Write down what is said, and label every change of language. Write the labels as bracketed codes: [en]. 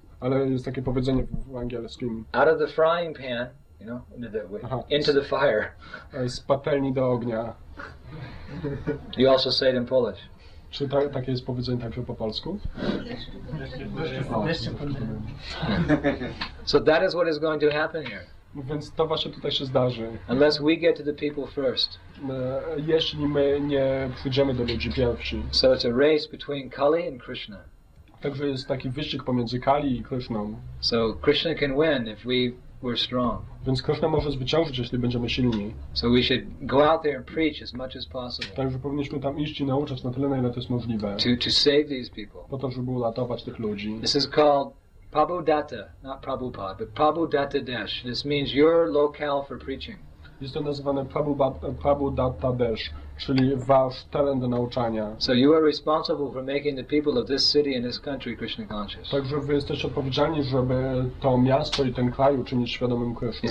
[pl] Ale jest takie powiedzenie w angielskim. [en] Out of the frying pan, you know, into the fire. [pl] Z patelni do ognia. [en] You also say it in Polish. [pl] Czy ta, takie jest powiedzenie także po polsku? [en] So that is what is going to happen here. [pl] Więc to właśnie tutaj się zdarzy. [en] Unless we get to the people first. [pl] Jeśli my nie przyjdziemy do ludzi pierwsi. [en] So it's a race between Kali and Krishna. [pl] Także jest taki wyścig pomiędzy Kali i Krishną. [en] So Krishna can win if we were strong. [pl] Więc Krishna może zwyciężyć, jeśli będziemy silni. [en] So we should go out there and preach as much as possible. [pl] Także powinniśmy tam iść i nauczać na tyle, na ile to jest możliwe. [en] To save these people. [pl] Po to, żeby uratować tych ludzi. [en] This is called Prabhudatta, not Prabhupada, but Prabhudatta Desh. This means your locale for preaching. [pl] Jest to nazywane Prabhudatta Desh, czyli wasz teren do nauczania. [en] So you are responsible for making the people of this city and this country Krishna conscious. [pl] Także wy jesteście odpowiedzialni, żeby to miasto i ten kraj uczynić świadomym Krishna.